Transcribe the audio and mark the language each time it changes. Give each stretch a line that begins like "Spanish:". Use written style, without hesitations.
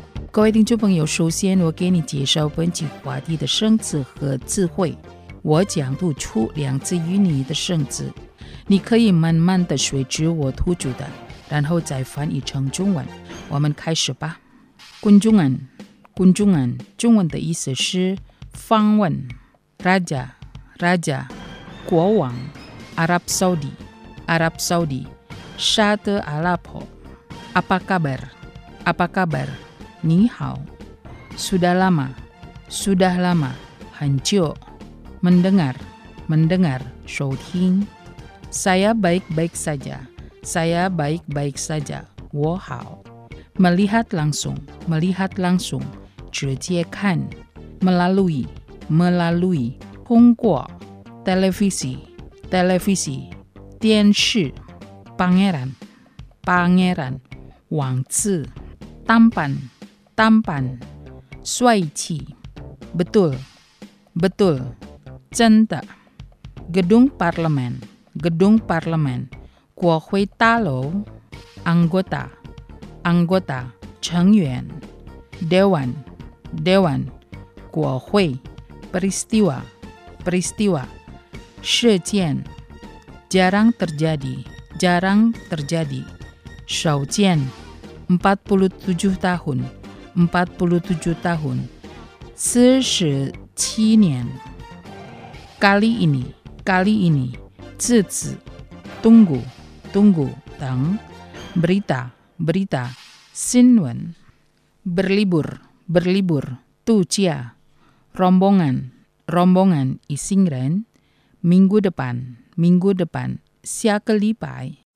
Chinese: 各位听众朋友，首先我给你介绍本期话题的生词和词汇。我讲读出两次与你的生词，你可以慢慢的随之我读出的，然后再翻译成中文。我们开始吧。 Kunjungan， Kunjungan， 中文的意思是访问。
Indonesian: Raja， Raja， 国王。 Arab Saudi， Arab Saudi， 沙特阿拉伯。 Apa kabar， Apa kabar。 你好。 Sudah lama， Sudah lama， 很久。 Mendengar， Mendengar， 收听。Saya baik-baik saja， Saya baik-baik saja， 我好。 Melihat langsung， Melihat langsung， 直接看。 Melalui， Melalui， 通过。 Televisi， Televisi， 电视。 Pangeran， Pangeran， 王子。 Tampan，Tampan， 帅气。 Betul， Betul， 真的。 Gedung Parlemen， Gedung Parlemen， 国会大楼。 Anggota， Anggota， 成员。 Dewan， Dewan， 国会。 Peristiwa， Peristiwa， 事件。 Jarang terjadi， Jarang terjadi， 少见。 47 tahun，47 tahun， 47 年。 Kali ini， Kali ini， 这次。 Tunggu， Tunggu， 等。 Berita， Berita， 新闻。 Berlibur， Berlibur， 度假。 Rombongan， Rombongan， 一行人。 Minggu depan， Minggu depan， 下个礼拜。